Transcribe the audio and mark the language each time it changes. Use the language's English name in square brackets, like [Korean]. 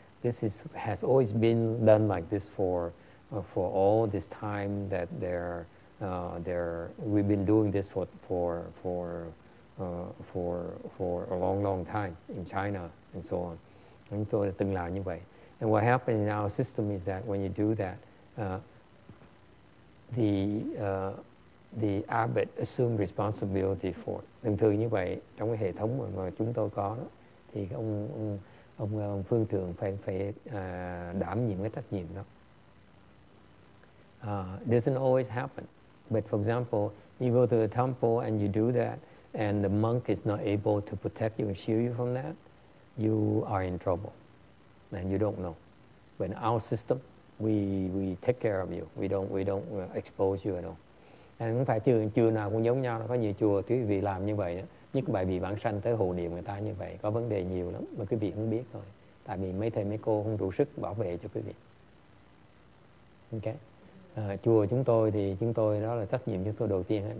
[English] This has always been done like this for all this time that we've been doing this for a long, long time in China and so on. And so it's been like that. And what happened in our system is that when you do that, the abbot assumes responsibility for it. [Vietnamese] Thường thường như vậy trong cái hệ thống mà chúng tôi có đó, thì ông phương trưởng phải đảm nhiệm cái trách nhiệm đó. [English] Doesn't always happen. But for example, you go to the temple and you do that, and the monk is not able to protect you and shield you from that, you are in trouble, and you don't know. But in our system, we take care of you. We don't expose you at all. [Vietnamese] And cũng phải chùa nào cũng giống nhau. Có nhiều chùa quý vị làm như vậy, nhất bài vị bản sanh tới hộ niệm người ta như vậy, có vấn đề nhiều lắm mà quý vị không biết rồi. Tại vì mấy thầy mấy cô không đủ sức bảo vệ cho quý vị. Okay. Chùa chúng tôi thì chúng tôi đó là trách nhiệm chúng tôi đầu tiên.